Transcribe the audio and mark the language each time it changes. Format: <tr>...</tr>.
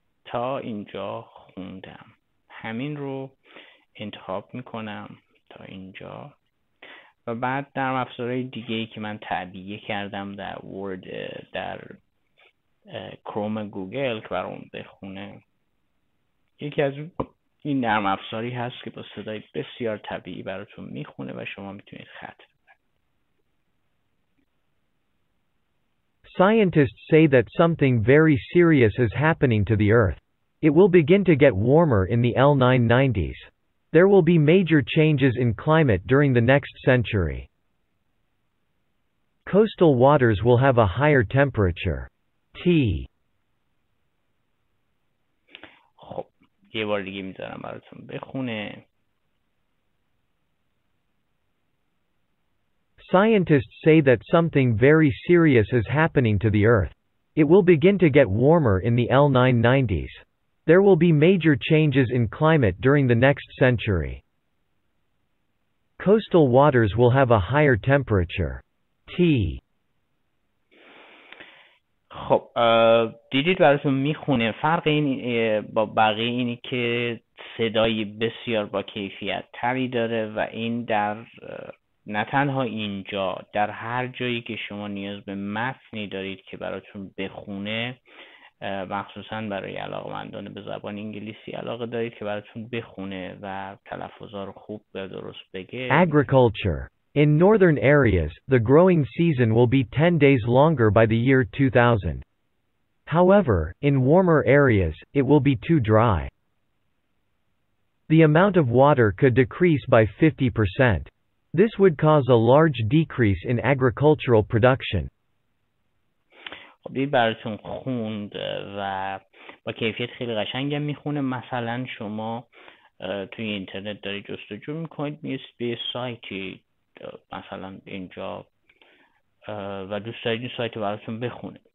<fa>تا اینجا خوندم همین رو انتخاب میکنم تا اینجا و بعد نرم افزارهای دیگه ای که من تعبیه کردم در ورد در کروم گوگل که برام بخونه. یکی از این نرم افزاری هست که با صدای بسیار طبیعی براتون میخونه و شما میتونید خط.</fa> <en>Scientists say that something very serious is happening to the Earth. It will begin to get warmer in the L990s. There will be major changes in climate during the next century. Coastal waters will have a higher temperature. T.</en> <fa>خب یه بار دیگه میذارم براتون بخونه.</fa> <en>Scientists say that something very serious is happening to the Earth. It will begin to get warmer in the L990s. There will be major changes in climate during the next century. Coastal waters will have a higher temperature. T.</en> <fa>خب دیدید براتون میخونه. فرق این با بقیه اینی که صدای بسیار با کیفیت تری داره و این در نه تنها اینجا، در هر جایی که شما نیاز به متنی دارید که براتون بخونه، مخصوصا برای علاقمندان به زبان انگلیسی علاقه دارید که براتون بخونه و تلفظا رو خوب و درست بگه.</fa> <en>Agriculture. In northern areas, the growing season will be 10 days longer by the year 2000. However, in warmer areas, it will be too dry. The amount of water could decrease by 50%. This would cause a large decrease in agricultural production.</en> <fa>خب این براتون خوند و با کیفیت خیلی قشنگ هم میخونه. مثلا شما توی اینترنت داری جستجو میکنید، میرسید به سایتی مثلا اینجا و دوست دارید این سایت براتون بخونه.</fa>